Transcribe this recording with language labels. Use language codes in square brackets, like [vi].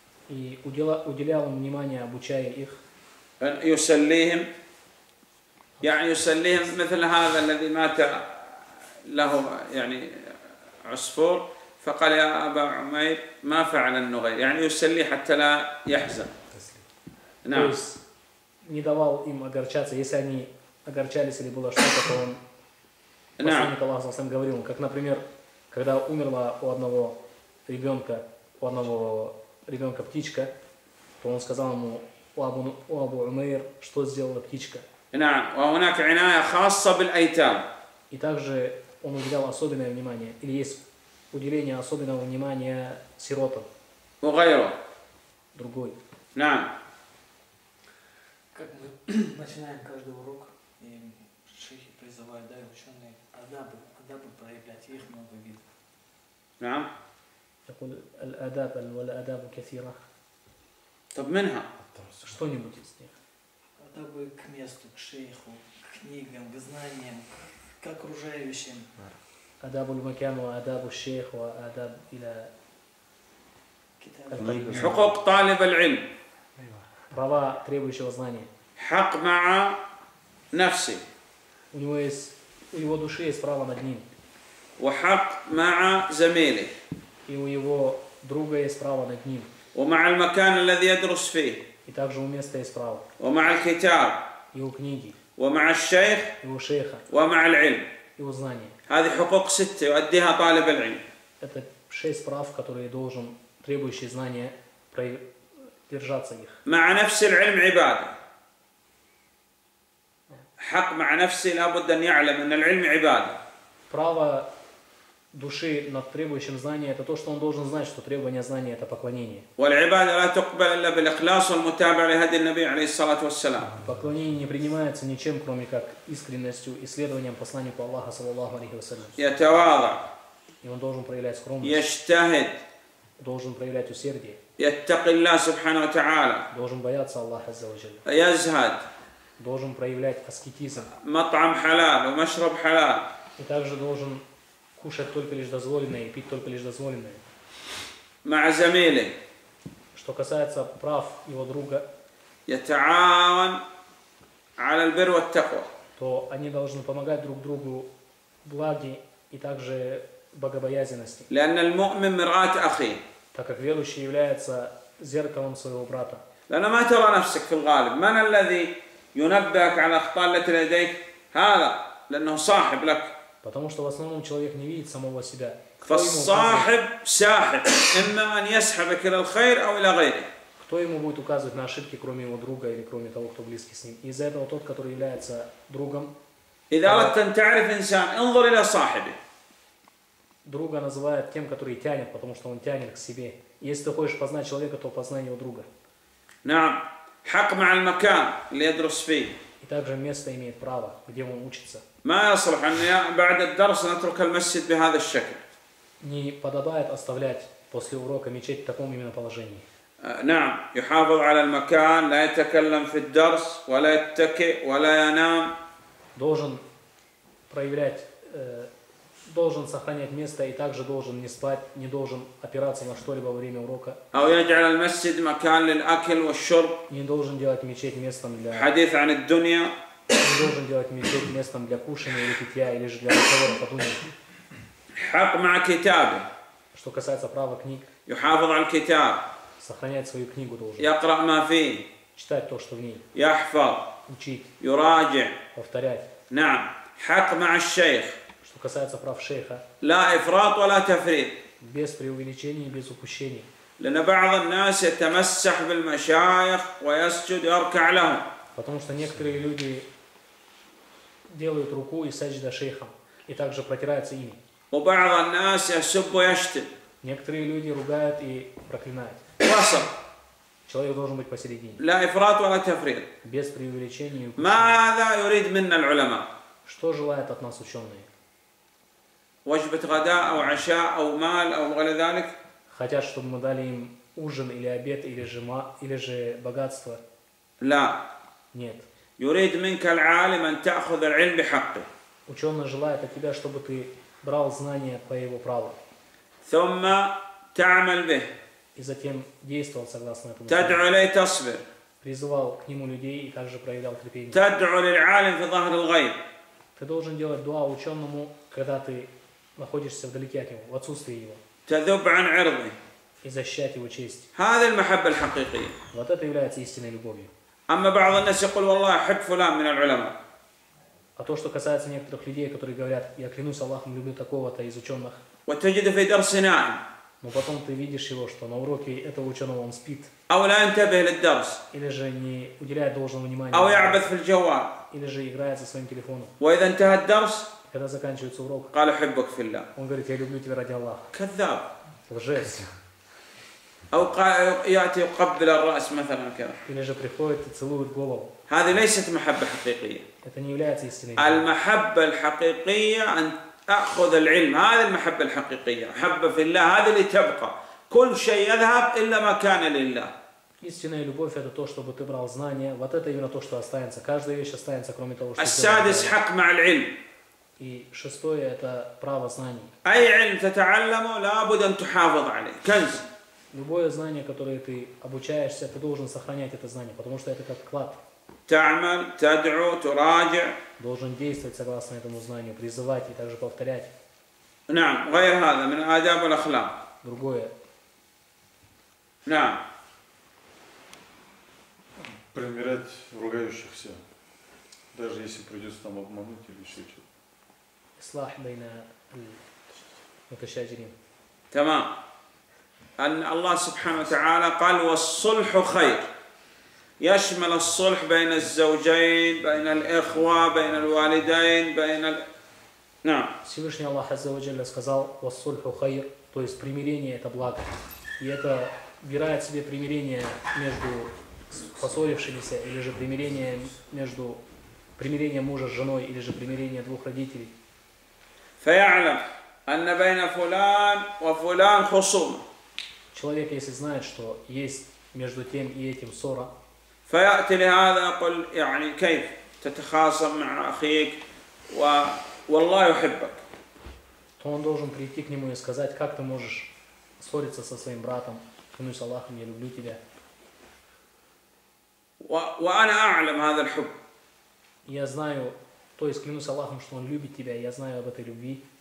[ru] И уделял им внимание, обучая их. [ar] يسليهم. يعني يسليهم مثل هذا الذي مات له يعني عصفور فقال يا أبا عمير ما فعل النغير يعني يسلي حتى لا يحزن. نعم. [ru] То есть не давал им огорчаться, если они огорчались или было что-то, то он посланник Аллаха саллаллаху алейхи ва саллям говорил, как например, когда умерла у одного ребенка птичка, то он сказал ему у Абу Умейр, что сделала птичка. [ar] نعم. وهناك عناية خاصة بالأيتام. [ru] И также он уделял особенное внимание, или есть уделение особенного внимания сиротам. Угайло. Другой. [ar] Нам. [ru] Как мы начинаем каждый урок, и шейхи призывают, да, и ученые, адабы проявлять, их много видов. [ar] Нам. [ru] Такой, [ar] аль-адаб, аль-адабу кафира. Таб минха. [ru] Что-нибудь из них. Адабы к месту, к шейху, к книгам, к знаниям, к окружающим. [ar] آداب المكان وآداب الشيخ وآداب إلى حقوق طالب العلم. [ru] права требующего знания. [ar] حق مع نفسه. [ru] У него души есть право над ним. [ar] وحق مع زميله. [ru] И у его друга есть право над ним. [ar] ومع المكان الذي يدرس فيه. [ru] И также у места есть право. [ar] ومع الكتاب. [ru] И у книги. [ar] ومع الشيخ. [ru] И у шейха. [ar] ومع العلم. [ru] И у знания. [ar] هذه حقوق ستة يؤديها طالب العلم. [ru] это 6 прав, которые должен требующий знания держаться их. [ar] مع نفس العلم عبادة. حق مع نفسي لابد أن يعلم أن العلم عبادة. [ru] Право души над требующим знания — это то, что он должен знать, что требование знания — это поклонение. [ar] والعبادة لا تقبل إلا بالإخلاص والمتابعة لهدي النبي عليه الصلاة والسلام. [ru] Поклонение не принимается ничем, кроме как искренностью и следованием посланнику Аллаха саллаллаху алейхи ва саллям. [ar] يتواضع. [ru] И он должен проявлять скромность. [ar] يجتهد. [ru] Должен проявлять усердие. [ar] يتقي الله سبحانه وتعالى. [ru] Должен бояться Аллаха عز وجل. [ar] يزهد. [ru] Должен проявлять аскетизм. [ar] مطعم حلال ومشرب حلال. [ru] И также должен кушать только лишь дозволенное и пить только лишь дозволенное. [ar] مع زميله. [ru] Что касается прав его друга. [ar] يتعاون على البر والتقوى. [ru] То они должны помогать друг другу благи и также богобоязненности. [ar] لأن المؤمن مرآة أخي. [ru] Так как верующий является зеркалом своего брата. [ar] لأن ما ترى نفسك في الغالب. من الذي ينبهك على الأخطاء التي لديك؟ هذا لأنه صاحب لك. [ru] Потому что в основном человек не видит самого себя. [ar] فالصاحب ساحب. إما أن يسحبك إلى الخير أو إلى غيره. [ru] Кто ему будет указывать на ошибки, кроме его друга или кроме того, кто близкий с ним? Из-за этого тот, который является другом. [ar] إذا أردت أن تعرف إنسان، انظر إلى صاحبه. [ru] Друга называют тем, который тянет, потому что он тянет к себе. Если ты хочешь познать человека, то познай его друга. [ar] نعم. حق مع المكان اللي يدرس فيه. [ru] И также место имеет право, где он учится. [ar] ما يصلح أن بعد الدرس نترك المسجد بهذا الشكل. [ru] Не подобает оставлять после урока мечеть в таком именно положении. [ar] نعم. يحافظ على المكان، لا يتكلم في الدرس، ولا يتكئ، ولا ينام. [ru] Должен проявлять. Должен сохранять место и также должен не спать, не должен опираться на что-либо во время урока. Не должен делать мечеть местом для [ar] хадис عن الدنيا. [ru] Не должен делать мечеть местом для кушания или питья, или же для разговора по дуне. [ar] حق مع كتابه. [ru] Что касается права книг. [ar] يحافظ على الكتاب. [ru] Сохранять свою книгу должен. [ar] يقرأ ما فيه. [ru] Читать то, что в ней. [ar] يحفظ. [ru] Учить. [ar] يراجع. [ru] Повторять. [ar] نعم. حق مع الشيخ. [ru] Касается прав шейха. [ar] لا إفراط ولا تفريط. [ru] Без преувеличения и без упущения. [ar] لأن بعض الناس يتمسح بالمشايخ ويسجد ويركع لهم. [ru] Потому что некоторые люди делают руку и саджда шейхам и также протираются ими. [ar] وبعض الناس يسب ويشتم. [ru] Некоторые люди ругают и проклинают. [ar] وصل. [ru] Человек должен быть посередине. [ar] لا إفراط ولا تفريط. [ru] Без преувеличения и упущения. [ar] ماذا يريد منا العلماء؟ [ru] Что желают от нас ученые? [ar] وجبة غداء أو عشاء أو مال أو غير ذلك. [ru] Хотят, чтобы мы дали им ужин или обед или же богатство. [ar] لا. [ru] Нет. [ar] يريد منك العالم أن تأخذ العلم بحقه. [ru] Ученый желает от тебя, чтобы ты брал знания по его праву. [ar] ثم تعمل به. [ru] И затем действовал согласно этому. [ar] تدعو لي تصبر. [ru] Призывал к нему людей и также проявлял терпение. [ar] تدعو للعالم في ظهر الغيب. [ru] Ты должен делать дуа ученому, когда ты находишься вдалеке от него, в отсутствии его. [ar] تذب عن عرضه. [ru] И защищать его честь. [ar] هذه المحبة الحقيقية. [ru] Вот это является истинной любовью. [ar] أما بعض الناس يقول والله أحب فلان من العلماء. [ru] А то, что касается некоторых людей, которые говорят, я клянусь Аллахом, люблю такого-то из ученых. [ar] وتجد في درس نائم. [ru] Но потом ты видишь его, что на уроке этого ученого он спит. [ar] أو لا ينتبه للدرس. [ru] Или же не уделяет должного внимания. [ar] أو يعبث في الجوال. [ru] Или же играет со своим телефоном. [ar] وإذا انتهى الدرس. [ru] Когда заканчивается урок, [ar] قال أحبك في الله. [ru] Он говорит, я люблю тебя ради Аллаха. [ar] كذاب. [ru] Лжец. [ar] أو يأتي يقبل الرأس مثلا كذا. [ru] Или же приходит и целует голову. [ar] هذه ليست محبة حقيقية. [ru] Это не является истинной. [ar] المحبة الحقيقية أن تأخذ العلم. هذه المحبة الحقيقية. محبة في الله. هذه اللي تبقى. كل شيء يذهب إلا ما كان لله. [ru] Истинная любовь — это то, чтобы ты брал знания. Вот это именно то, что останется. Каждая вещь останется, кроме того, что. [ar] السادس حق مع العلم. [ru] И шестое — это право знаний. [ar] أي علم تتعلمه لابد أن تحافظ عليه. كنز. [ru] Любое знание, которое ты обучаешься, ты должен сохранять это знание, потому что это как клад. [ar] تعمل, تدعو, تراجع. [ru] Должен действовать согласно этому знанию, призывать и также повторять. [ar] نعم. غير هذا من آداب الأخلاق. [ru] Другое. [ar] نعم. [ru] Примирять ругающихся, даже если придется там обмануть или еще что-то. [ar] إصلاح بين المتشاجرين. Тамам. Аллах Субхану Та'ала قال والصلح خير يشمل الصلح بين الزوجين بين الإخوة بين الوالدين بين ال... نعم. [ru] Всевышний Аллах Азза ва Джалля сказал [ar] والصلح خير, [ru] то есть примирение это благо. И это вбирает в себе примирение между поссорившимися или же примирение между примирение мужа с женой или же примирение двух родителей. [ar] فيعلم أن بين فلان وفلان خصومة. [ru] Человек, если знает, что есть между тем и этим ссора, [ar] فيأتي لهذا يقول يعني كيف تتخاصم مع أخيك و... والله يحبك. [ru] То он должен прийти к нему и сказать, как ты можешь ссориться со своим братом? Клянусь Аллахом, я люблю тебя. [ar] وأنا أعلم هذا الحب. [ru] Я знаю, то есть клянусь Аллахом, что он любит тебя, я знаю об этой любви.